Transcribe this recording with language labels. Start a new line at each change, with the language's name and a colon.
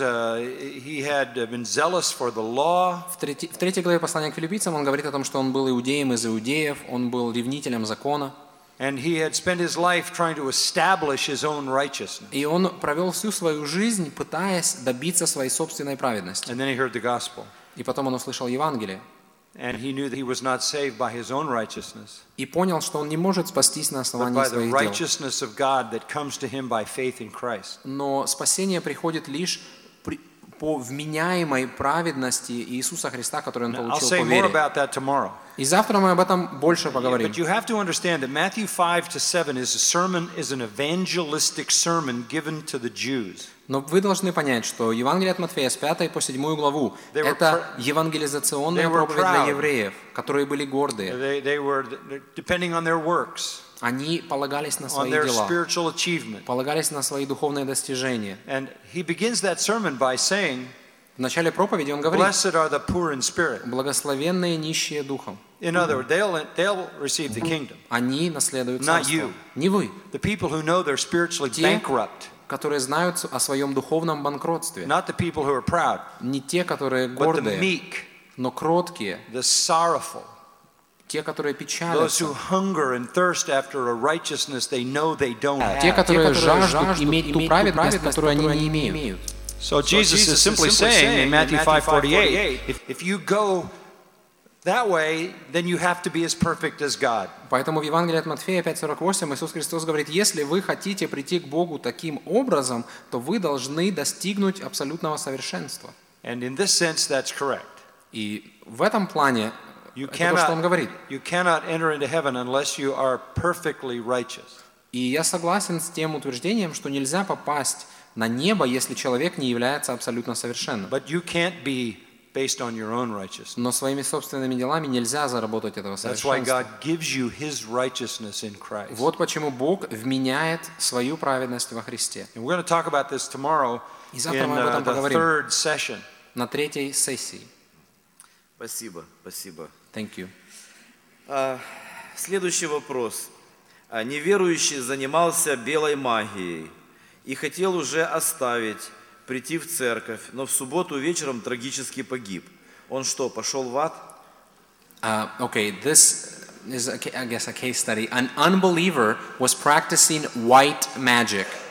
English: He had been zealous for the law.
Russian: В третьей главе послания к Филиппийцам он говорит о том, что он был иудеем из иудеев, он был ревнителем закона.
English: And he had spent his life trying to establish his own righteousness.
Russian: И он провел всю свою жизнь, пытаясь добиться своей собственной праведности.
English: And then he heard the gospel.
Russian: И потом он услышал Евангелие.
English: And he knew that he was not saved by his own righteousness.
Russian: И понял, что он не может спастись на основании своих дел.
English: But by the righteousness of God that comes to him by faith in Christ.
Russian: Но спасение приходит лишь по вменяемой праведности Иисуса Христа, которую он получил по вере.
English: I'll say more about that tomorrow.
Russian: И завтра мы об этом больше поговорим.
English: But you have to understand that Matthew 5-7 is a sermon, is an evangelistic sermon given to the Jews.
Russian: Но вы должны понять, что Евангелие от Матфея с 5 по 7 главу это евангелизационная проповедь для евреев, которые были гордые.
English: They were depending on their works.
Russian: Они полагались на свои дела.
English: On their spiritual achievement.
Russian: Полагались на свои духовные достижения.
English: And he begins that sermon by saying,
Russian: в начале проповеди он говорит:
English: Blessed are the poor in spirit.
Russian: Благословенные нищие духом.
English: In other words, they'll receive the kingdom.
Russian: Они наследуют царство.
English: Not you.
Russian: Не вы.
English: The people who know they're spiritually bankrupt.
Russian: Которые знают о своем духовном банкротстве.
English: Not the people who are proud.
Russian: Не те, которые гордые.
English: But the meek.
Russian: Но кроткие.
English: The sorrowful.
Russian: Те, которые печалятся.
English: Those who hunger and thirst after a righteousness they know they don't have.
Russian: Те, которые жаждут иметь ту праведность, которую они не имеют.
English: So Jesus is simply saying in Matthew 5:48, if you go That way, then you have to be as perfect as God.
Russian: Поэтому в Евангелии от Матфея 5:48 Иисус Христос говорит: если вы хотите прийти к Богу таким образом, то вы должны достигнуть абсолютного совершенства.
English: And in this sense, that's correct.
Russian: И в этом плане
English: you cannot,
Russian: это то, что он говорит.
English: You cannot enter into heaven unless you are perfectly righteous.
Russian: И я согласен с тем утверждением, что нельзя попасть на небо, если человек не является абсолютно совершенным.
English: But you can't be based on your own righteousness.
Russian: Но своими собственными делами нельзя заработать этого совершенства.
English: That's why God gives you His righteousness in Christ.
Russian: Вот почему Бог вменяет свою праведность во Христе.
English: And we're going to talk about this tomorrow in the third session.
Russian: На третьей сессии. Спасибо, спасибо.
English: Thank you.
Russian: Следующий вопрос. Неверующий занимался белой магией и хотел уже оставить, прийти в церковь, но в субботу вечером трагически погиб. Он что, пошел в ад?
English: Okay, this is, I guess, a case study. An unbeliever was practicing white magic.